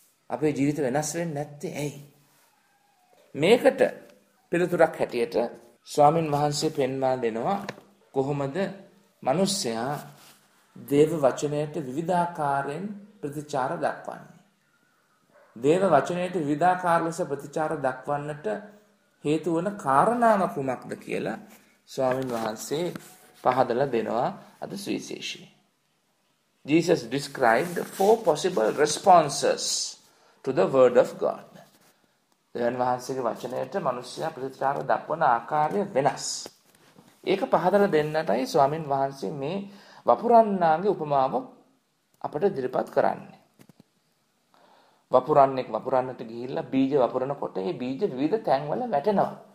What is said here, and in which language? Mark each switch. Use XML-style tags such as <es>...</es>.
<si>අපේ ජීවිත වෙනස් වෙන්නේ නැත්තේ ඇයි? මේකට පිළිතුරක් හැටියට ස්වාමින් වහන්සේ පෙන්වා දෙනවා කොහොමද මිනිස්සයා දේව වචනයට විවිධාකාරයෙන් ප්‍රතිචාර දක්වන්නේ. දේව වචනයට විවිධාකාර ලෙස ප්‍රතිචාර දක්වන්නට හේතු වන කාරණාව කුමක්ද කියලා ස්වාමීන් වහන්සේ පහදලා දෙනවා අද සුවිශේෂී.</si> <en>Jesus described 4 possible responses to the word of God.</en> <si>දේව වහන්සේගේ වචනයට මිනිස්සයා ප්‍රතිචාර දක්වන ආකාරය වෙනස්. ඒක පහදලා දෙන්නටයි ස්වාමීන් වහන්සේ මේ වපුරන්නාගේ උපමාව අපට ඉදිරිපත් කරන්නේ. වපුරන්නෙක් වපුරන්නට ගිහිල්ලා බීජ වපුරනකොට ඒ බීජ විවිධ තැන්වල වැටෙනවා.</si>